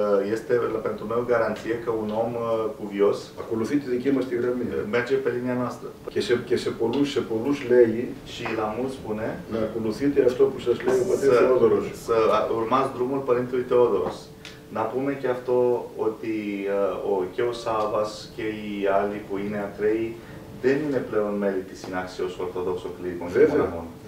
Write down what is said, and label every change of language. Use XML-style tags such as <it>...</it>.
<ro>Este pentru meu garanție că un om cuvios</ro> <el>ακολουθείται δική μας τη γραμμή.</el> <ro>Merge pe linia noastră.</ro> <el>Και σε πολλούς, λέει</el> <ro>și la mulți spune</ro> <el>να ακολουθείτε αυτό που σας λέει ο Πατήρ Θεόδωρος.</el> <ro>Să urmați drumul Părintelui Teodoros.</ro> <el>Να πούμε και αυτό ότι και ο Σάββας και οι άλλοι που είναι ακραίοι δεν είναι πλέον μέλη της Συνάξεως Ορθοδόξων Κληρικών και Μοναχών.</el>